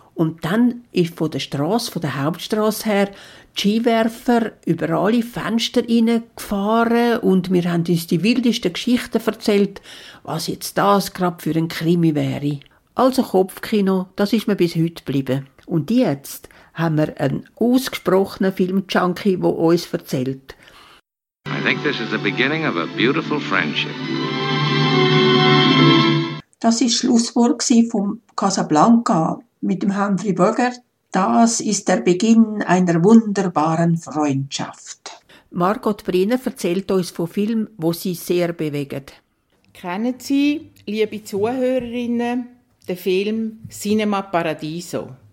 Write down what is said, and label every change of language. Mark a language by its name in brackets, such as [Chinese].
[German] Und dann ist von der Strasse, von der Hauptstrasse her, die Skiwerfer über alle Fenster reingefahren und wir haben uns die wildesten Geschichten erzählt, was jetzt das gerade für ein Krimi wäre. Also Kopfkino, das ist mir bis heute geblieben. Und jetzt haben wir einen ausgesprochenen Filmjunkie, der uns erzählt. [English] I think this is the beginning of a beautiful friendship. [German] Das war das Schlusswort von Casablanca mit dem Humphrey Bogart. Das ist der Beginn einer wunderbaren Freundschaft. Margot Briner erzählt uns von Filmen, die sie sehr bewegen. Kennen Sie, liebe Zuhörerinnen, den Film «Cinema Paradiso»?